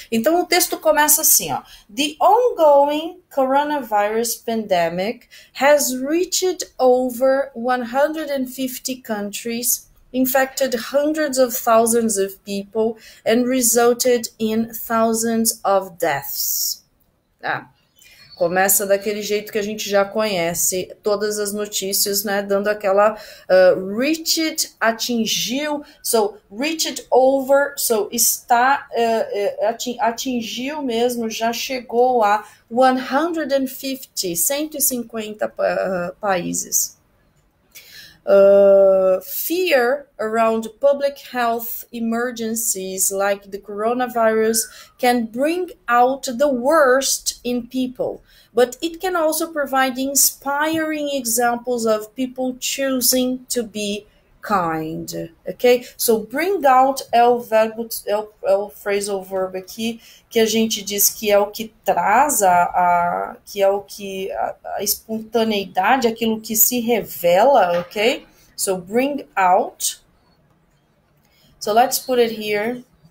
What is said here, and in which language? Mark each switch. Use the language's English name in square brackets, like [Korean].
[Portuguese] Então o texto começa assim, ó: [English] The ongoing coronavirus pandemic has reached over 150 countries, infected hundreds of thousands of people, and resulted in thousands of deaths. Ah. [Portuguese] Começa daquele jeito que a gente já conhece, todas as notícias, né, dando aquela reached, atingiu, [English] so reached over, so [Portuguese] está atingiu mesmo, já chegou a 150 países. [English] Fear around public health emergencies like the coronavirus can bring out the worst in people, but it can also provide inspiring examples of people choosing to be kind. Ok? [Portuguese] So, bring out é o phrasal verb aqui que a gente diz que é o que traz, que é o que a espontaneidade, aquilo que se revela, ok? [English] So bring out. So let's put it here.